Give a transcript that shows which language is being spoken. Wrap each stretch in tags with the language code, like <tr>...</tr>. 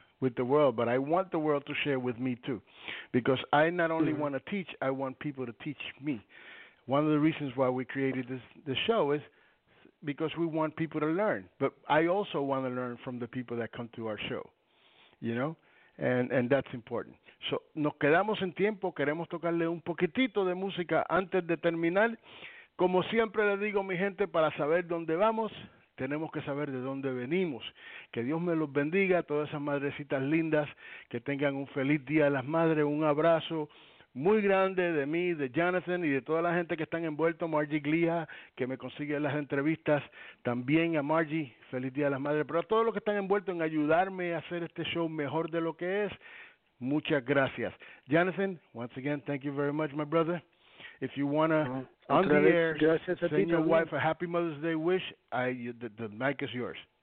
<en>with the world, but I want the world to share with me too, because I not only want to teach, I want people to teach me. One of the reasons why we created this show is because we want people to learn, but I also want to learn from the people that come to our show, you know, and that's important.</en> <es>So, nos quedamos en tiempo, queremos tocarle un poquitito de música antes de terminar. Como siempre le digo, mi gente, para saber dónde vamos, tenemos que saber de dónde venimos. Que Dios me los bendiga, todas esas madrecitas lindas, que tengan un feliz día a las madres, un abrazo muy grande de mí, de Jonathan y de toda la gente que están envueltos, Margie Glia, que me consigue las entrevistas, también a Margie, feliz día a las madres, pero a todos los que están envueltos en ayudarme a hacer este show mejor de lo que es, muchas gracias.</es> <en>Jonathan, once again, thank you very much, my brother. If you want to, on the air, send your wife a happy Mother's Day wish, the mic is yours.</en>